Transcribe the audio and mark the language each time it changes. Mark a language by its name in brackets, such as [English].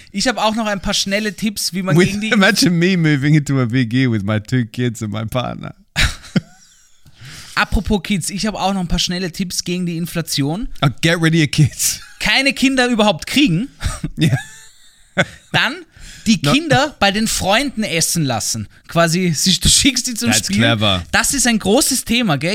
[German] Ich habe auch noch ein paar schnelle Tipps, wie man gegen die... [English] Imagine me moving into a Vigir with my two kids and my partner. [German] Apropos Kids, ich habe auch noch ein paar schnelle Tipps gegen die Inflation. [English] Oh, get rid of your kids. [German] Keine Kinder überhaupt kriegen. [English] Yeah. [German] Dann die Kinder bei den Freunden essen lassen. Quasi, du schickst die zum [English] That's [German] Spielen. [English] Clever. [German] Das ist ein großes Thema, gell?